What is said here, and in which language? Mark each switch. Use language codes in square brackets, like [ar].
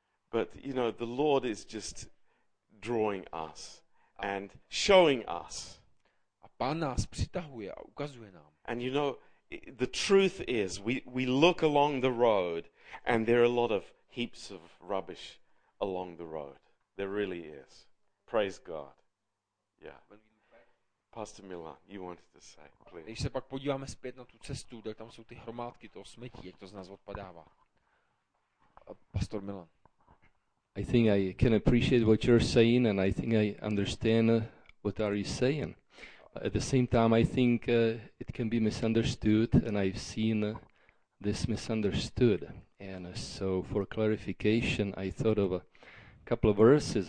[en] But you know, the Lord is just drawing us and showing us. [cs] A Pán nás přitahuje a ukazuje nám. [en] And you know, the truth is we look along the road and there are a lot of heaps of rubbish along the road. There really is. Praise God. Yeah. Pastor Milan, you wanted to say, please. [cs] Když se pak podíváme zpět na tu cestu, tak tam jsou ty hromádky toho smetí, jak to z nás odpadává. [en] Pastor Milan. I think I can appreciate what you're saying and I think I understand what are you saying. But at the same time, I think it can be misunderstood and I've seen this misunderstood. And so for clarification, I thought of a couple of verses.